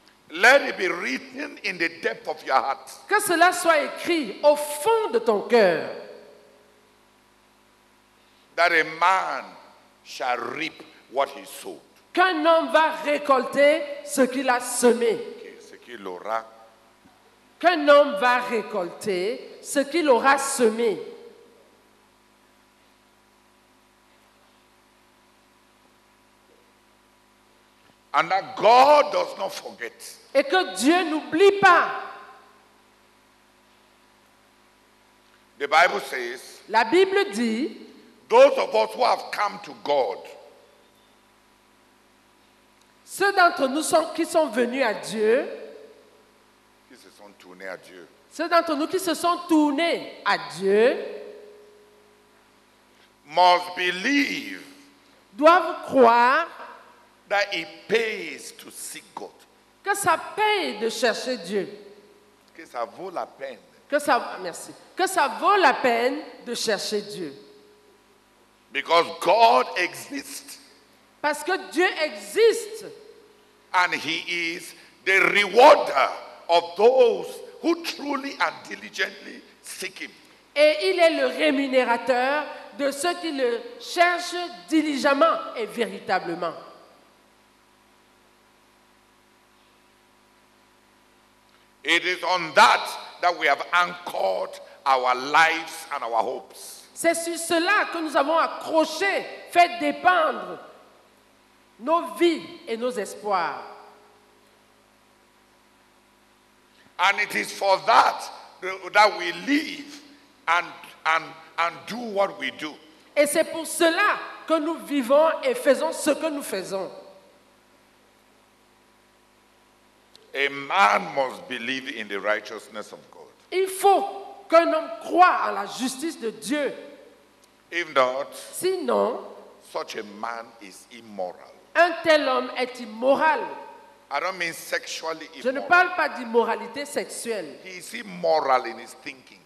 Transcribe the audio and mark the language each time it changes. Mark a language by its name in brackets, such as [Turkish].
[English] Let it be written in the depth of your heart. [French] Que cela soit écrit au fond de ton cœur. [English] That a man shall reap what he sowed. [French] Qu'un homme va récolter ce qu'il a semé. Okay, ce qu'il aura. Qu'un homme va récolter ce qu'il aura semé. [English] And that God does not forget. [French] Et que Dieu n'oublie pas. [English] The Bible says, [French] la Bible dit, [English] those of us who have come to God, [French] ceux d'entre nous qui sont venus à Dieu, qui se sont tournés à Dieu, ceux d'entre nous qui se sont tournés à Dieu, [English] must believe, [French] doivent croire, [English] that it pays to seek God. [French] Que ça paye de chercher Dieu. Que ça vaut la peine. Merci. Que ça vaut la peine de chercher Dieu. [English] Because God exists. [French] Parce que Dieu existe. [English] And he is the rewarder of those who truly and diligently seek him. [French] Et il est le rémunérateur de ceux qui le cherchent diligemment et véritablement. [English] It is on that that we have anchored our lives and our hopes. [French] C'est sur cela que nous avons accroché, fait dépendre nos vies et nos espoirs. [English] And it is for that that we live and do what we do. [French] Et c'est pour cela que nous vivons et faisons ce que nous faisons. [English] A man must believe in the righteousness of God. [French] Il faut qu'un homme croie à la justice de Dieu. [English] If not, [French] sinon, [English] such a man is immoral. [French] Un tel homme est immoral. [English] I don't mean sexually immoral. [French] Je ne parle pas d'immoralité sexuelle. [English] He is immoral in his thinking.